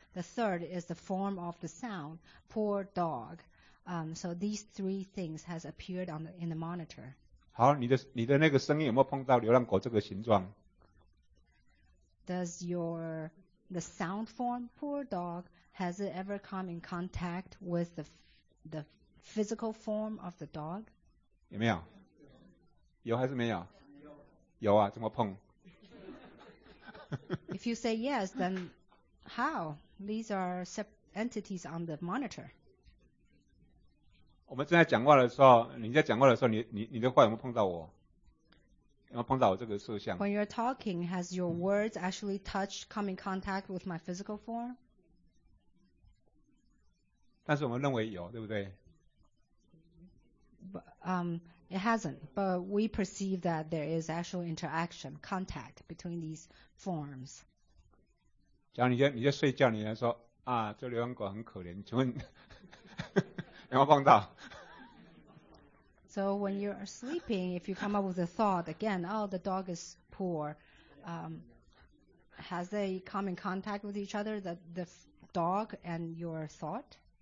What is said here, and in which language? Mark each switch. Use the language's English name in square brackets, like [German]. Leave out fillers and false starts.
[English] The third is the form of the sound, poor dog. So these three things has appeared in the monitor. [Chinese] 好，你的那个声音有没有碰到流浪狗这个形状？ [English] Does your the sound form, poor dog,Has it ever come in contact with the physical form of the dog? [Chinese] 有没有？有还是没有？有啊，怎么碰 [English] ？If you say yes, then how? These are separate entities on the monitor. [Chinese] 我们正在讲话的时候，你在讲话的时候，你的话有没有碰到我？有没有碰到我这个色相 [English] ？When you're talking, has your words actually touched, come in contact with my physical form? [Chinese] 但是我们认为有，对不对？ [English] But, It hasn't, but we perceive that there is actual interaction, contact between these forms. 假如你在睡觉，你在说啊，这流浪狗很可怜，请问有没有碰到？ So when you're sleeping, if you come up with a thought again, oh, the dog is poor, has they come in contact with each other, the dog and your thought?